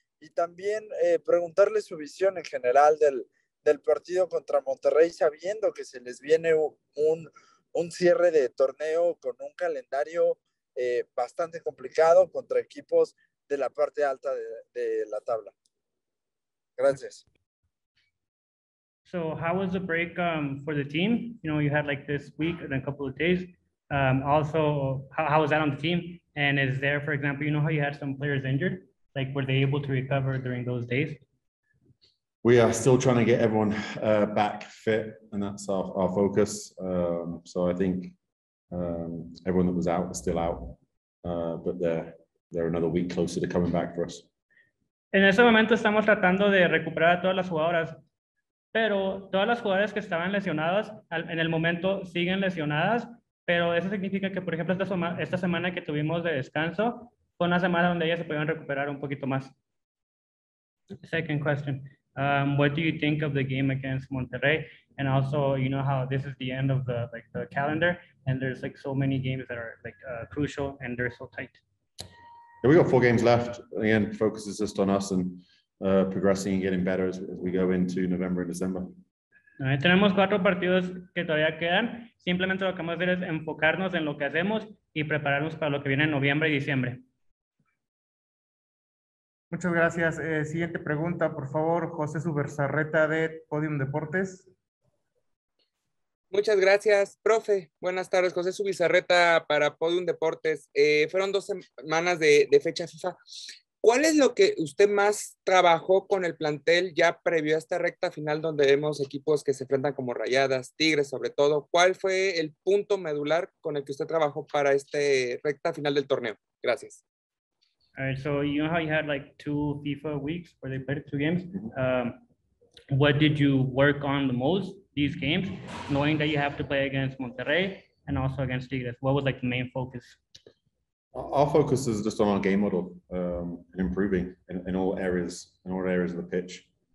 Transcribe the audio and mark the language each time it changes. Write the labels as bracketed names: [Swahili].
[Spanish] Y también preguntarle su visión en general del partido contra Monterrey, sabiendo que se les viene un cierre de torneo con un calendario bastante complicado contra equipos de la parte alta de la tabla. Gracias. [English] So how was the break for the team? You had like this week and a couple of days. Also, how was that on the team? And is there, for example, how you had some players injured? Like, were they able to recover during those days? We are still trying to get everyone back fit, and that's our focus. So I think everyone that was out is still out, but they're another week closer to coming back for us. [Spanish] En ese momento estamos tratando de recuperar a todas las jugadoras, pero todas las jugadoras que estaban lesionadas en el momento siguen lesionadas, pero eso significa que, por ejemplo, esta semana que tuvimos de descanso fue una semana donde ellas se pudieron recuperar un poquito más. [English] Second question. What do you think of the game against Monterrey? And also, how this is the end of the calendar, and there's like so many games that are like crucial and they're so tight. Yeah, we got four games left. Again, focus is just on us and progressing and getting better as we go into November and December. [Spanish] Tenemos cuatro partidos que todavía quedan. Simplemente lo que vamos a hacer es enfocarnos en lo que hacemos y prepararnos para lo que viene en noviembre y diciembre. Muchas gracias. Siguiente pregunta, por favor, José Zubizarreta de Podium Deportes. Muchas gracias, profe. Buenas tardes, José Zubizarreta para Podium Deportes. Fueron 2 semanas de fecha FIFA. ¿Cuál es lo que usted más trabajó con el plantel ya previo a esta recta final donde vemos equipos que se enfrentan como Rayadas, Tigres sobre todo? ¿Cuál fue el punto medular con el que usted trabajó para esta recta final del torneo? Gracias. [English] All right, so how you had like 2 FIFA weeks where they played 2 games. What did you work on the most these games, knowing that you have to play against Monterrey and also against Tigres? What was like the main focus? Our focus is just on our game model and improving in all areas of the pitch.